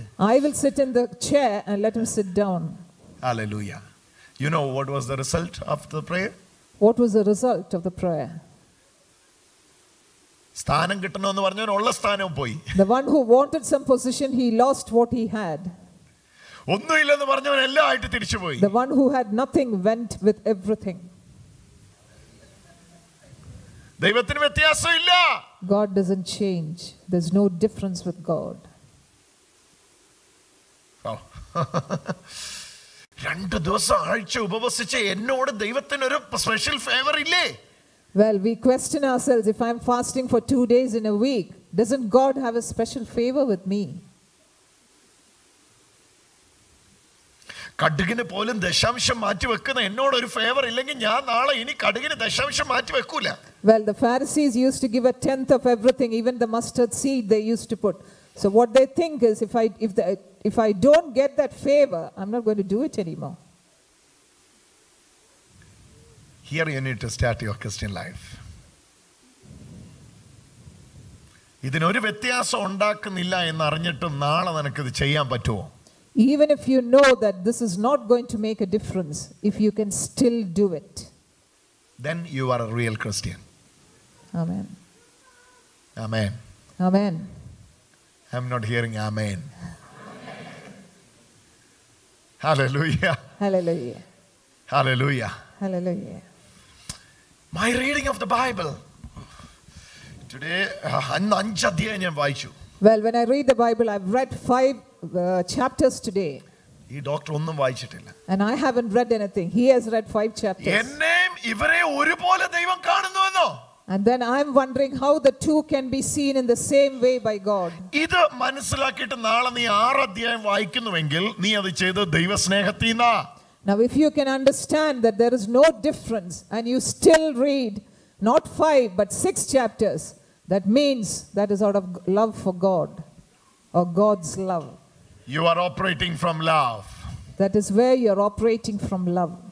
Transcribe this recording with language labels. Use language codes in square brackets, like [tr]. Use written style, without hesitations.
[en] I will sit in the chair and let him sit down. Hallelujah. You know what was the result of the prayer? What was the result of the prayer? [ml] Sthanam kittano ennu parnjan ulla sthanam poi. [en] The one who wanted some position, he lost what he had. [ml] ഒന്നും ഇല്ലെന്ന് പറഞ്ഞവൻ എല്ലാം ആയിട്ട് തിരിച്ചുപോയി. [en] The one who had nothing went with everything. [ml] ദൈവത്തിന് വ്യത്യാസമില്ല. [en] God doesn't change. There's no difference with God. [ml] രണ്ട് ദിവസം ആഴ്ച ഉപവസിച്ച എന്നോട് ദൈവത്തിന് ഒരു സ്പെഷ്യൽ ഫേവർ ഇല്ലേ? [en] Well, we question ourselves, if I'm fasting for 2 days in a week, doesn't God have a special favor with me? [ml] കടുകിന് പോലും ദശാംശം മാറ്റി വെക്കുന്ന എന്നോട് ഒരു ഫേവർ ഇല്ലെങ്കിൽ ഞാൻ നാളെ ഇനി കടുകിന് ദശാംശം മാറ്റി വെക്കൂല. [en] Well, the Pharisees used to give a tenth of everything, even the mustard seed they used to put. So what they think is, if I don't get that favor, I'm not going to do it anymore. Here you need to start your Christian life. [ml] ഇതിനൊരു വ്യത്യാസം ഉണ്ടാക്കുന്നില്ല എന്ന് അറിഞ്ഞിട്ടും നാളെ നിനക്ക് ഇത് ചെയ്യാൻ പറ്റുമോ? [en] Even if you know that this is not going to make a difference, if you can still do it, then you are a real Christian. Amen. Amen. Amen. I'm not hearing amen. Amen. Hallelujah. Hallelujah. Hallelujah. Hallelujah. My reading of the Bible today, [ml] അഞ്ച് അധ്യായം ഞാൻ വായിച്ചു. [en] Well, when I read the Bible, I've read 5 chapters today. [ml] ഈ doctor ഒന്നും വായിച്ചിട്ടില്ല. [en] And I haven't read anything. He has read 5 chapters. [ml] എന്നെ ഇവരെ ഒരുപോലെ ദൈവം കാണുന്നുവെന്നോ? [en] And then I'm wondering how the two can be seen in the same way by God. [ml] ഇത് മനസ്സിലാക്കിയിട്ട് നാളെ നീ 6 അധ്യായം വായിക്കുന്നുവെങ്കിൽ നീ അത് ചെയ്ത ദൈവസ്നേഹത്തിനാ. [en] Now if you can understand that there is no difference and you still read not 5 but 6 chapters, that means that is out of love for God or God's love. You are operating from love. That is where you are operating from love.